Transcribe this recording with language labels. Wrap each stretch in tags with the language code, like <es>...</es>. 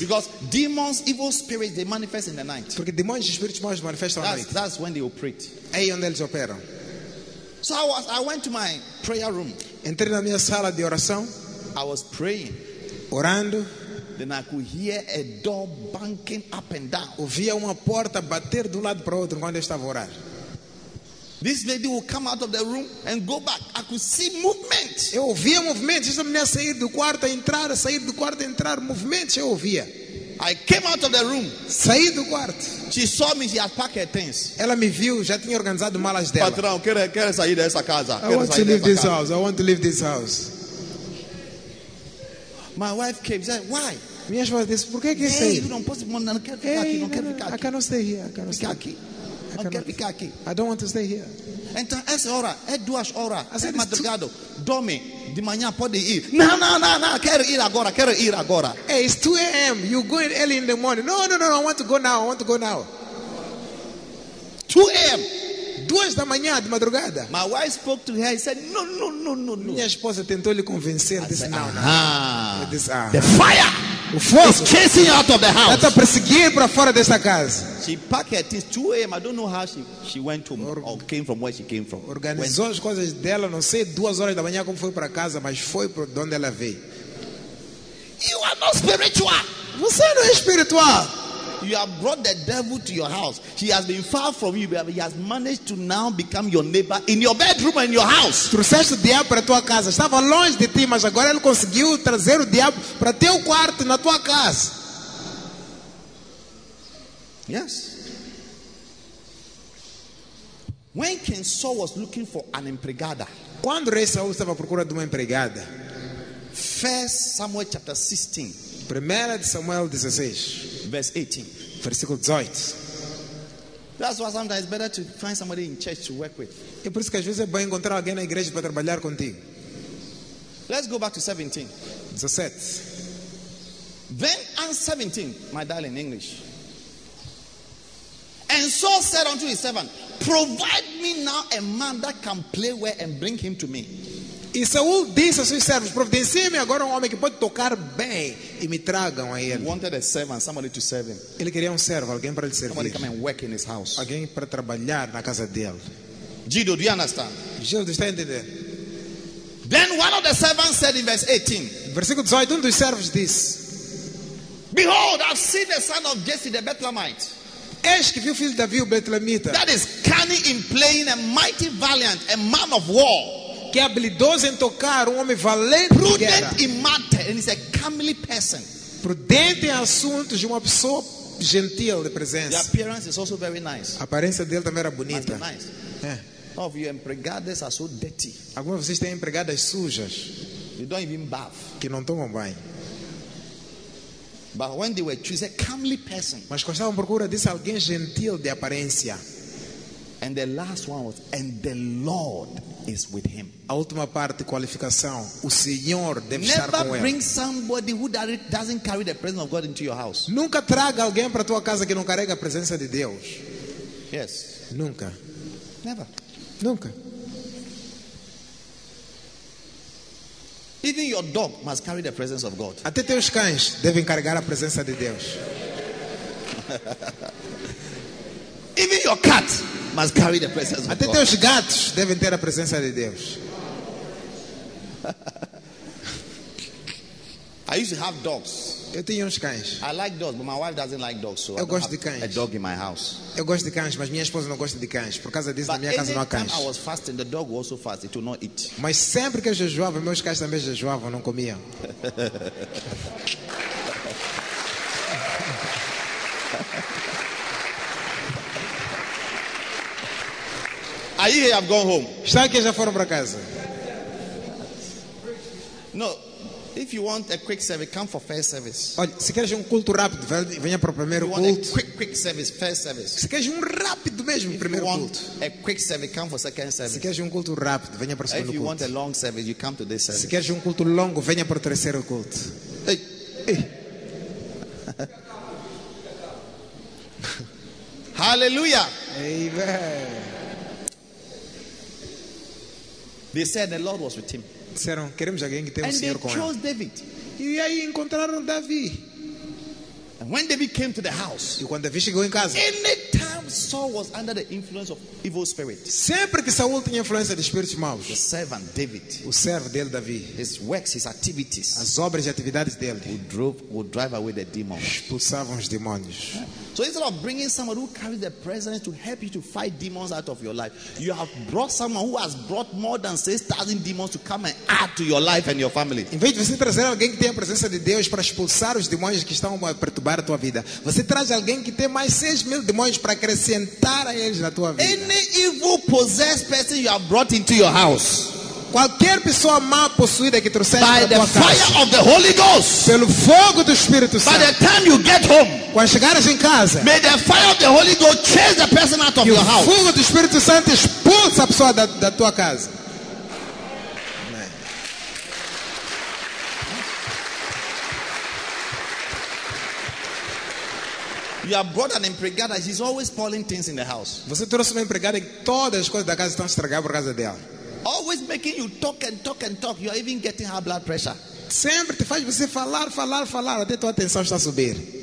<en>Because demons, evil spirits, they manifest in the night.</en> <pt>Porque demônios e espíritos maus manifestam à noite.</pt> <en>That's when they operate.</en> <pt>É onde eles operam.</pt> <en>So I went to my prayer room.</en> <pt>Entrei na minha sala de oração.</pt> <en>I was praying.</en> <pt>Orando.</pt> <en>Then I could hear a door banging up and down.</en> <pt>Ouvia uma porta bater de um lado para o outro quando eu estava a orar.</pt> <en>This lady will come out of the room and go back. I could see movement.</en> <pt>Eu ouvia movimentos. Essa mulher sair do quarto, entrar, sair do quarto, entrar. Movimentos eu ouvia.</pt> <en>I came out of the room.</en> <pt>Saí do quarto.</pt> <en>She saw me. She had packed her things.</en> <pt>Ela me viu. Já tinha organizado malas dela. Patrão, quero sair dessa casa.</pt> <en>I want to leave this house. I want to leave this house. My wife came. She said, why?</en> <pt>Minha esposa disse, por que que você saiu? Hey, não posso, não quero ficar aqui. Não quero ficar aqui.</pt> <en>I cannot stay here. I cannot stay here. I don't want to stay here.</en> <pt>Então essa hora, é duas horas. É madrugada. Dorme. De manhã pode ir. Não, não, não, não. Quero ir agora. Quero ir agora.</pt> <en>Hey, it's 2 a.m. You going early in the morning? No, no, no, no. I want to go now. I want to go now. 2 a.m.</en> <pt>Duas da manhã de madrugada.</pt> <en>My wife spoke to her. He said, no, no, no, no, no.</en> <pt>Minha esposa tentou lhe convencer. Disse, não,</pt> <en>não. The fire.</en> <pt>O fogo</pt> <en>is chasing out of the house.</en> <pt>Ela está perseguindo para fora desta casa.</pt> <en>She packed her things 2 a.m. I don't know how she went to or came from where she came from.</en> <pt>Organizou as coisas dela, não sei, 2 horas da manhã como foi para casa, mas foi para onde ela veio.</pt> <en>You are not spiritual.</en> <pt>Você não é espiritual.</pt> <en>You have brought the devil to your house. He has been far from you, but he has managed to now become your neighbor in your bedroom and in your house.</en> <pt>Trouxeste o diabo para tua casa. Estava longe de ti, mas agora ele conseguiu trazer o diabo para teu quarto na tua casa.</pt> <en>Yes. When Ken Saul was looking for an empregada,</en> <pt>quando rei Saul estava à procura de uma empregada,</pt> <en>1 Samuel chapter 16.</en> <pt>1 Samuel 16,</pt> <en>verse 18.</en> <pt>Versículo 18.</pt> <en>That's why sometimes it's better to find somebody in church to work with.</en> <pt>É por isso que às vezes é bom encontrar alguém na igreja para trabalhar contigo.</pt> <en>Let's go back to 17.</en> <pt>17.</pt> <en>Then and 17, my darling, English. And Saul said unto his servant, provide me now a man that can play well and bring him to me.</en> <pt>E Saul disse aos seus servos, providencie-me agora um homem que pode tocar bem e me tragam a ele.</pt> <en>He wanted a servant, somebody to serve him.</en> <pt>Ele queria um servo, alguém para lhe servir.</pt> <en>Somebody come and work in his house.</en> <pt>Alguém para trabalhar na casa dele.</pt> <en>Gildo, do you understand?</en> <pt>Gildo, está entendendo?</pt> <en>Then one of the servants said in verse 18.</en> <pt>Versículo 18, um dos servos disse.</pt> <en>Behold, I've seen the son of Jesse, the Bethlehemite.</en> <pt>Eis que viu o filho de Davi, o Betlemita.</pt> <en>That is cunning in playing, a mighty valiant, a man of war.</en> <pt>Que é habilidoso em tocar, um homem valente.</pt> <en>Prudent in matter, and he's a comely person.</en> <pt>Prudente em assuntos, de uma pessoa gentil de presença.</pt> <en>The appearance is also very nice.</en> <pt>A aparência dele também era bonita.</pt> <en>Nice.</en> <pt>É.</pt> <en>Some of your empregadas are so dirty.</en> <pt>Algumas vocês têm empregadas sujas.</pt> <en>You don't even bath.</en> <pt>Que não tomam banho.</pt> <en>But when they were choosing a comely person,</en> <pt>mas quando estavam procurando disse alguém gentil de aparência.</pt> <en>And the last one was, and the Lord is with him.</en> <pt>A última parte, qualificação, o Senhor deve</pt> <en>Never</en> <pt>estar com ele.</pt> <en>Never bring somebody who doesn't carry the presence of God into your house.</en> <pt>Nunca traga alguém para tua casa que não carrega a presença de Deus.</pt> <en>Yes.</en> <pt>Nunca.</pt> <en>Never.</en> <pt>Nunca.</pt> <en>Even your dog must carry the presence of God.</en> <pt>Até teus cães devem carregar a presença de Deus.</pt> <en>Even your cat must carry the presence of</en> <pt>Até</pt> <en>God.</en> <pt>Até teus gatos devem ter a presença de Deus.</pt> <en>I used to have dogs.</en> <pt>Eu tinha uns cães.</pt> <en>I like dogs, but my wife doesn't like dogs, so</en> <pt>eu gosto de cães.</pt> <en>A dog in my house.</en> <pt>Eu gosto de cães, mas minha esposa não gosta de cães. Por causa disso,</pt> <en>but</en> <pt>na minha casa não há cães.</pt> <en>I was fasting, the dog was also fast. It will not eat.</en> <pt>Mas sempre que eu jejuava, meus cães também jejuavam, não comiam. Aí eu vou home. Está aqui, já foram para casa. Não.</pt> <en>If you want a quick service, come for first service.</en> <pt>Olha, se queres culto rápido, venha para o primeiro culto.</pt> <en>You want a quick service, first service.</en> <pt>Se queres rápido mesmo,</pt> <en>if</en> <pt>primeiro</pt> <en>you want</en> <pt>culto.</pt> <en>A quick service, come for second service.</en> <pt>Se queres culto rápido, venha para o segundo culto.</pt> <en>Want a long service, you come to this service.</en> <pt>Se queres culto longo, venha para o terceiro culto. Hey. Hey. Hallelujah. Amen.</pt> <en>They said the Lord was with him.</en> <pt>Disseram, queremos alguém que tenha</pt> <en>and</en> <pt>o Senhor</pt> <en>they</en> <pt>com</pt> <en>chose</en> <pt>ele.</pt> <en>David.</en> <pt>E aí encontraram Davi.</pt> <en>And when David came to the house,</en> <pt>e quando Davi chegou em casa,</pt> <en>any time Saul was under the influence of evil spirit.</en> <pt>Sempre que Saul tinha influência de espíritos maus,</pt> <en>the servant David,</en> <pt>o servo dele Davi,</pt> <en>his works, his activities,</en> <pt>as obras e atividades dele,</pt> <en>would drive away the demons.</en> <pt>Expulsavam os demônios.</pt> <en>So instead of bringing someone who carries the presence to help you to fight demons out of your life, you have brought someone who has brought more than 6,000 demons to come and add to your life and your family.</en> <pt>Em vez de você trazer alguém que tem a presença de Deus para expulsar os demônios que estão a perturbar a tua vida, você traz alguém que tem mais 6,000 demônios para acrescentar a eles na tua vida.</pt> <en>Any evil possessed person you have brought into your house.</en> <pt>Qualquer pessoa mal possuída que trouxer para tua casa.</pt> <en>By the fire of the Holy Ghost.</en> <pt>Pelo fogo do Espírito Santo.</pt> <en>By the time you get home.</en> <pt>Quando chegares em casa.</pt> <en>May the fire of the Holy Ghost chase the person out of your house.</en> <pt>O fogo do Espírito Santo expulse a pessoa da tua casa. Amém.</pt> <en>You have brought an empregada. She's always spoiling things in the house.</en> <pt>Você trouxe uma empregada e todas as coisas da casa estão estragadas por causa dela.</pt> <en>Always making you talk and talk and talk. You are even getting her blood pressure.</en> <pt>Sempre te faz você falar, falar, falar até tua atenção está a subir.</pt>